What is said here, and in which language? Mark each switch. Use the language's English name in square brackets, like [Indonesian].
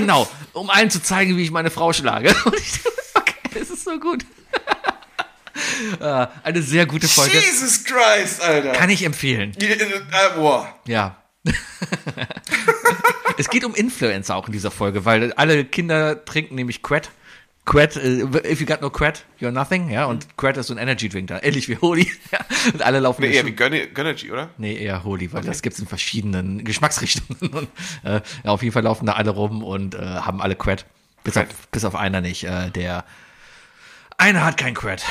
[German] Genau, um allen zu zeigen, wie ich meine Frau schlage. Okay, das ist so gut. Eine sehr gute Folge. [English] Jesus Christ, [German] Alter. Kann ich empfehlen. Boah. Ja. Es geht um Influencer auch in dieser Folge, weil alle Kinder trinken nämlich Quet. [English] Quet, if you got no Quet, you're nothing. [German] Ja, und Quet ist so ein Energy Drink da, ähnlich wie Holy. Und alle laufen. Nee, eher wie Gönnergy, oder? Nee, eher Holy, weil okay. Das gibt's in verschiedenen Geschmacksrichtungen. Und, ja, auf jeden Fall laufen da alle rum und haben alle Quet. Bis auf einer nicht. Der einer hat kein Quet.